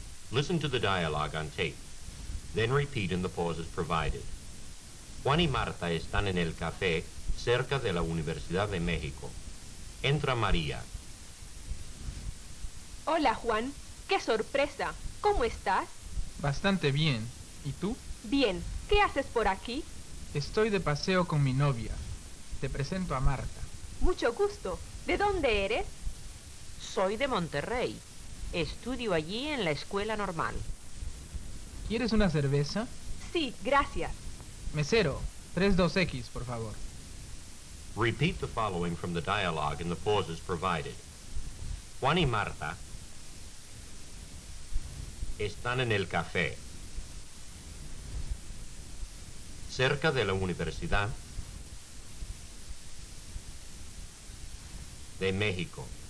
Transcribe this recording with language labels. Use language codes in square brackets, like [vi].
[en] Listen to the dialogue on tape. Then repeat in the pauses provided. [es] Juan y Marta están en el café cerca de la Universidad de México. Entra María. Hola, Juan. ¡Qué sorpresa! ¿Cómo estás? Bastante bien. ¿Y tú? Bien. ¿Qué haces por aquí? Estoy de paseo con mi novia. Te presento a Marta. Mucho gusto. ¿De dónde eres? Soy de Monterrey. Estudio allí en la escuela normal. ¿Quieres una cerveza? Sí, gracias. Mesero, 32X, por favor. [en] Repeat the following from the dialogue in the pauses provided. [es] Juan y Marta están en el café cerca de la Universidad de México.